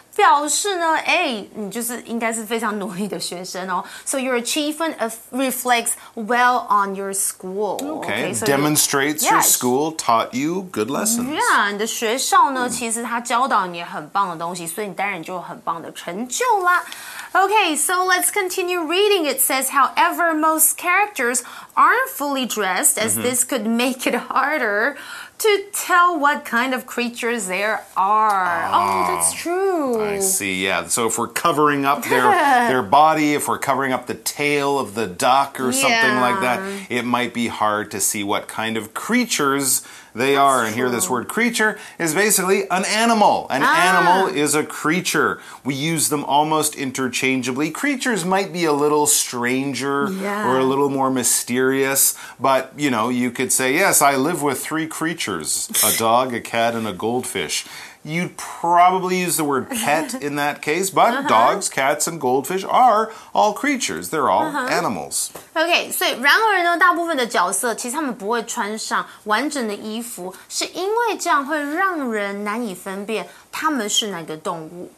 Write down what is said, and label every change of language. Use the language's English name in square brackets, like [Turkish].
[Chinese] 表示呢，诶，你就是应该是非常努力的学生哦。 [English] So your achievement reflects well on your school. Okay, so demonstrates your school taught you good lessons. [Chinese] Yeah, 你的学校呢，其实它教导你很棒的东西，所以你当然就有很棒的成就啦。 [English] Okay, so let's continue reading. It says, however, most characters aren't fully dressed, as this could make it harder to tell what kind of creatures there are. Oh, that's true. I see, yeah. So if we're covering up their body, if we're covering up the tail of the duck or something like that, it might be hard to see what kind of creatures... They are, and here this word creature is basically an animal. An animal is a creature. We use them almost interchangeably. Creatures might be a little stranger or a little more mysterious, but, you know, you could say, yes, I live with three creatures, a dog, a cat, and a goldfish. You'd probably use the word pet in that case, but dogs, cats, and goldfish are all creatures. They're all animals. [Chinese] Okay, 所以然而呢，大部分的角色其实他们不会穿上完整的衣服，是因为这样会让人难以分辨他们是哪个动物。